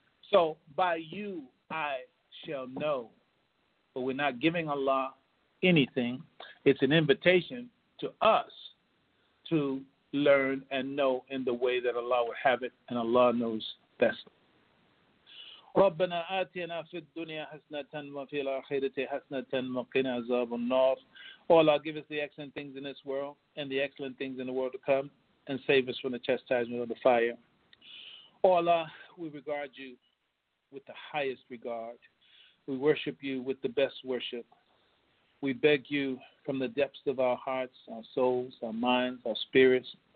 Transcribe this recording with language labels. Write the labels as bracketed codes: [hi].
[en] So by you I shall know. But we're not giving Allah anything. It's an invitation to us to learn and know in the way that Allah would have it, and Allah knows best. [ar] ربنا آتنا في الدنيا حسنة وفي الآخرة حسنة وقنا عذاب النار. [en] Oh Allah, give us the excellent things in this world and the excellent things in the world to come, and save us from the chastisement of the fire. Oh Allah, we regard you with the highest regard. We worship you with the best worship. We beg you from the depths of our hearts, our souls, our minds, our spirits.